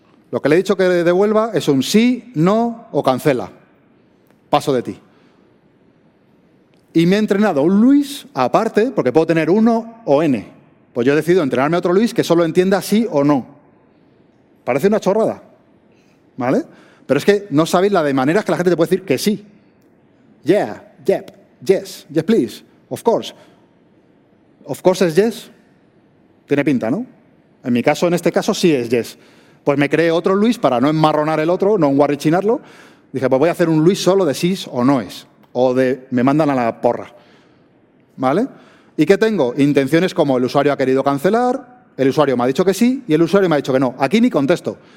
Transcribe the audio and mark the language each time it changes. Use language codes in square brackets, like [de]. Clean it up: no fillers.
[es] Lo que le he dicho que devuelva es un sí, no o cancela. Paso de ti. Y me he entrenado un Luis aparte, porque puedo tener uno o N. Pues yo he decidido entrenarme a otro Luis que solo entienda sí o no. Parece una chorrada, ¿vale? Pero es que no sabéis la de maneras que la gente te puede decir que sí. [en] Yeah, yep, yes, yes please, of course. Of course [es] es yes. Tiene pinta, ¿no? En mi caso, en este caso, sí es yes. Pues me creé otro Luis para no enmarronar el otro, no enguarrichinarlo. Dije, pues voy a hacer un Luis solo de sí o no es. O de me mandan a la porra. ¿Vale? ¿Y qué tengo? Intenciones como el usuario ha querido cancelar, el usuario me ha dicho que sí y el usuario me ha dicho que no. Aquí ni contesto.